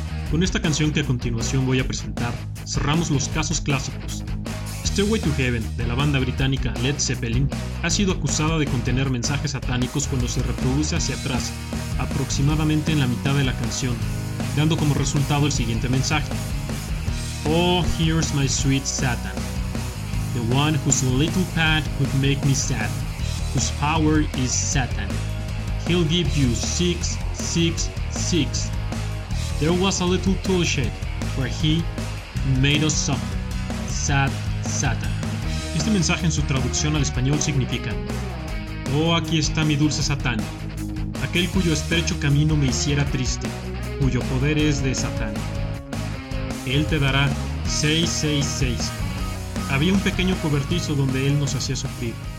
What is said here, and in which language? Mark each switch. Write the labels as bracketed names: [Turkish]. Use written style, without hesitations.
[Spanish] Con esta canción que a continuación voy a presentar, cerramos los casos clásicos. Stairway to Heaven, de la banda británica Led Zeppelin, ha sido acusada de contener mensajes satánicos cuando se reproduce hacia atrás, aproximadamente en la mitad de la canción, dando como resultado el siguiente mensaje. [English] Oh, here's my sweet Satan, the one whose little path could make me sad, whose power is Satan. He'll give you 666. There was a little tool shed where he made us suffer. Sad Satan. [Spanish] Este mensaje en su traducción al español significa: oh, aquí está mi dulce Satán, aquel cuyo estrecho camino me hiciera triste, cuyo poder es de Satán. Él te dará 666. Había un pequeño cobertizo donde él nos hacía sufrir.